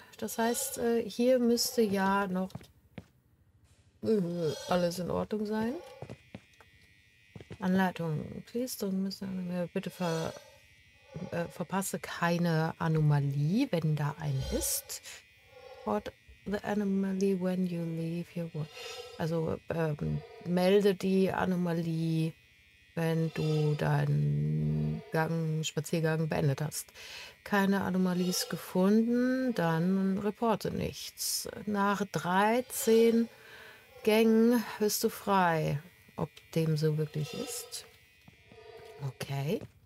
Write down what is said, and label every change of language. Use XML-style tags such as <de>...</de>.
<de>Das heißt, hier müsste ja noch alles in Ordnung sein. Anleitung, please, dann müssen wir bitte verpasse keine Anomalie, wenn da eine ist.</de> <en>Spot the anomaly when you leave your world.</en> <de>Also, melde die Anomalie, wenn du deinen Spaziergang beendet hast. Keine Anomalies gefunden, dann reporte nichts. Nach 13 Gängen bist du frei, ob dem so wirklich ist. Okay.</de>